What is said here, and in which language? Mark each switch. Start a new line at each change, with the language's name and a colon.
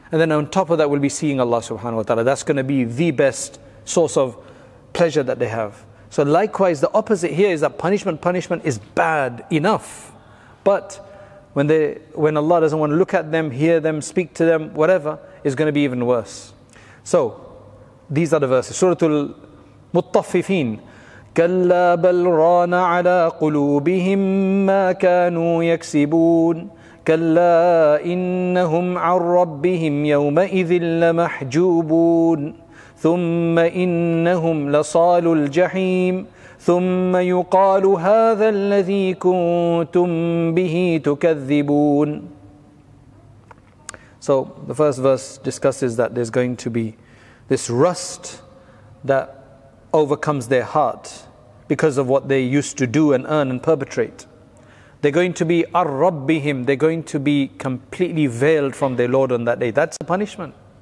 English: And then on top of that, we'll be seeing Allah subhanahu wa ta'ala. That's going to be the best source of pleasure that they have. So likewise, the opposite here is that punishment is bad enough. But when Allah doesn't want to look at them, hear them, speak to them, whatever, is going to be even worse. So, these are the verses. Suratul Mutaffifin.
Arabic: كَلَّا بَلْ رَانَ عَلَىٰ قُلُوبِهِمْ مَا كَانُوا يَكْسِبُونَ كَلَّا إِنَّهُمْ عَنْ رَبِّهِمْ يَوْمَئِذٍ لَمَحْجُوبُونَ ثم إنهم لصالوا الجحيم ثم يقال هذا الذي كنتم به تكذبون.
English: So the first verse discusses that there's going to be this rust that overcomes their heart because of what they used to do and earn and perpetrate. They're going to be ar-rabbihim, they're going to be completely veiled from their Lord on that day. That's a punishment.